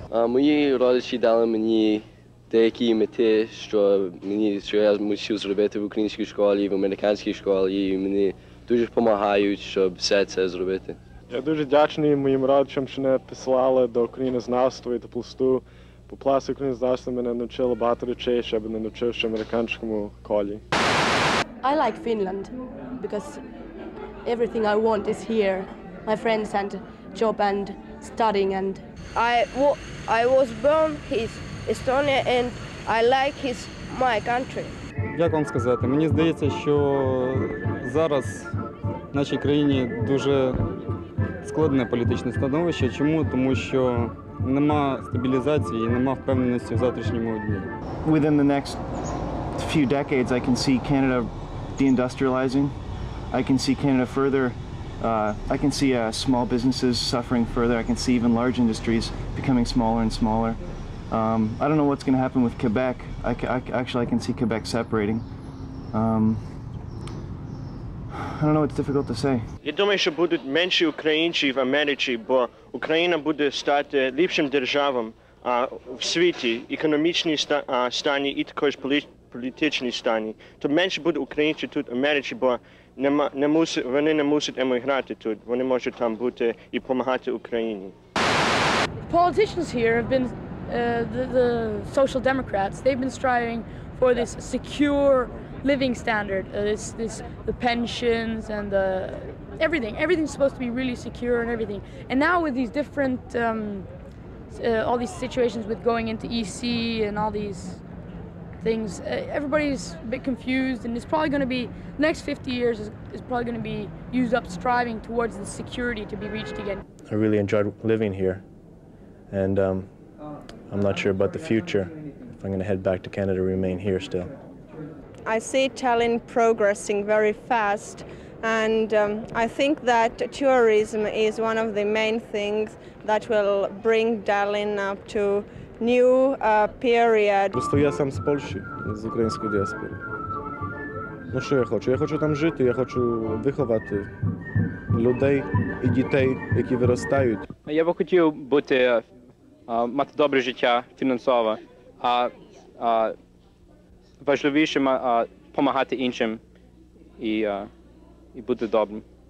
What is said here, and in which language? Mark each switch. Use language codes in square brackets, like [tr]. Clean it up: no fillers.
[uk] А мої родичі дали мені деякі мети, що мені, що я мусив зробити в українській школі, в американській школі, і мені дуже допомагають, щоб все це зробити. Я дуже вдячний моїм родичам, що мене послали до українознавства і до пласту. По пласту українознавства мене навчили багато речей, щоб не навчився в американському колі. [en] I like Finland because everything I want is here. My friends and job and studying and I was born in Estonia and I like his my country. [uk] Як вам сказати? Мені здається, що зараз в нашій країні дуже складне політичне становище. Чому? Тому що нема стабілізації і нема впевненості в завтрашньому дні. [en] Within the next few decades I can see Canada deindustrializing. I can see Canada further. I can see small businesses suffering further. I can see even large industries becoming smaller and smaller. I don't know what's going to happen with Quebec. I can see Quebec separating. I don't know, it's difficult to say. [uk] Я думаю, що будуть менше українців в Америці, бо Україна буде стати ліпшим державом в світі, економічній стані і також політичній стані. То менше буде українців тут в Америці, бо вони не мусять емігрувати тут. Вони можуть там бути і допомагати Україні. [en] Politicians here have been the social democrats. They've been striving for this secure living standard, this the pensions and the everything's supposed to be really secure and everything. And now with these different all these situations with going into EC and all these things, everybody's a bit confused, and it's probably going to be the next 50 years is probably going to be used up striving towards the security to be reached again. I really enjoyed living here, and I'm not sure about the future, if I'm going to head back to Canada or remain here still. I see Tallinn progressing very fast, and I think that tourism is one of the main things that will bring Tallinn up to new period. [uk] Просто я сам з Польщі, з української діаспори. Ну що я хочу? Я хочу там жити, я хочу виховати людей і дітей, які виростають. Я би хотів бути мати добре життя фінансово, а важливіше допомагати іншим і бути добрим.